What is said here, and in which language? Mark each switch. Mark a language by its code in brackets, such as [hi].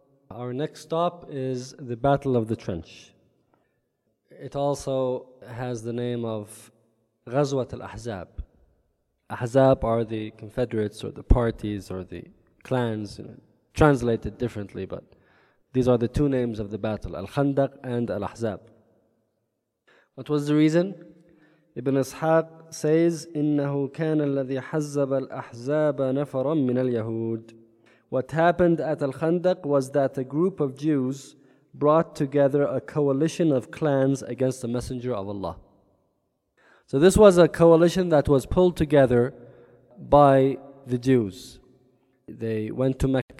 [en] Our next stop is the Battle of the Trench. It also has the name of Ghazwat al-Ahzab. Ahzab are the confederates or the parties or the clans, you know, translated differently, but these are the two names of the battle, Al-Khandaq and Al-Ahzab. What was the reason? Ibn Ishaq says, [ar] إِنَّهُ كَانَ الَّذِي حَزَّبَ الْأَحْزَابَ نَفَرًا مِّنَ الْيَهُودِ. [en] What happened at Al-Khandaq was that a group of Jews brought together a coalition of clans against the Messenger of Allah. So this was a coalition that was pulled together by the Jews. They went to Mecca.